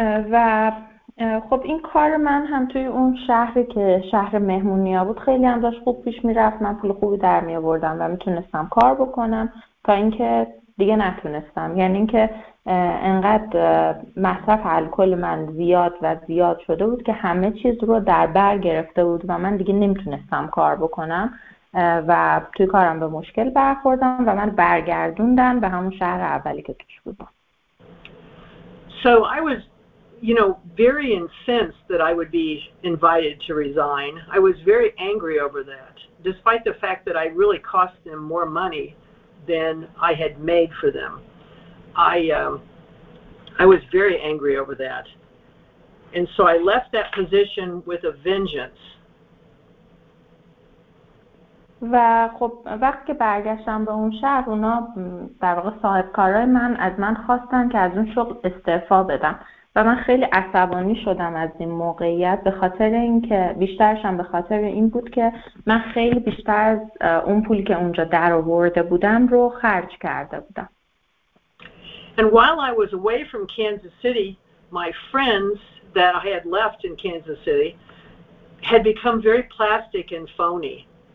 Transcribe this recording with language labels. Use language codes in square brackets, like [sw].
[fa] و خب این کار من هم توی اون شهری که شهر مهمونی ها بود خیلی هم داشت خوب پیش میرفت، من پول خوبی در می آوردم و میتونستم کار بکنم تا اینکه دیگه نتونستم، یعنی اینکه انقدر مصرف الکل من زیاد و زیاد شده بود که همه چیز رو در بر گرفته بود و من دیگه نمیتونستم کار بکنم و توی کارم به مشکل برخوردم و من برگردوندم به همون شهر اولی که توش بودم. [en] So I was, you know, very incensed that I would be invited to resign. I was very angry over that, despite the fact that I really cost them more money than I had made for them. I was very angry over that. And so I left that position with a vengeance. [fa] و خب وقتی که برگشتم به اون شهر، اونا در واقع صاحب کارهای من از من خواستن که از اون شغل استعفا بدم و من خیلی عصبانی شدم از این موقعیت، به خاطر اینکه بیشترشم به خاطر این بود که من خیلی بیشتر از اون پولی که اونجا درآورده بودم رو خرج کرده بودم. [en] And while I was away from Kansas City, my friends that I had left in Kansas City had become very plastic and phony.